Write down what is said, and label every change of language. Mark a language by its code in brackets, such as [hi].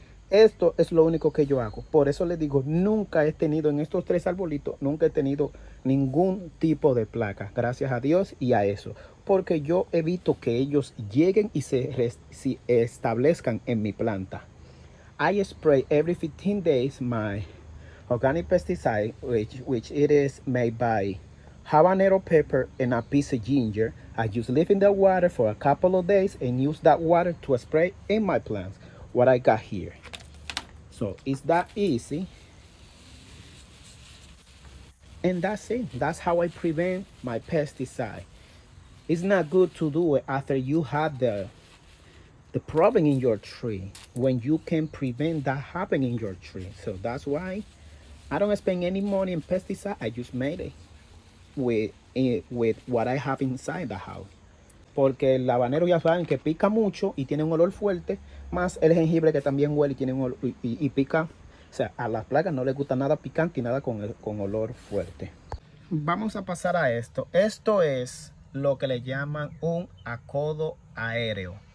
[es] Esto es lo único que yo hago. Por eso les digo, nunca he tenido en estos tres arbolitos, nunca he tenido ningún tipo de placa, gracias a Dios y a eso, porque yo evito que ellos lleguen y se establezcan en mi planta. [en] I spray every 15 days my organic pesticide, which it is made by habanero pepper and a piece of ginger. I just leave in the water for a couple of days and use that water to spray in my plants. What I got here. So it's that easy. And that's it. That's how I prevent my pesticide. It's not good to do it after you have the problem in your tree when you can prevent that happening in your tree. So that's why I don't spend any money in pesticide. I just made it with what I have inside the house. [es] Porque el habanero ya saben que pica mucho y tiene un olor fuerte, más el jengibre que también huele y tiene un olor y pica. O sea, a las plagas no les gusta nada picante y nada con olor fuerte. Vamos a pasar a esto. Esto es lo que le llaman un acodo aéreo.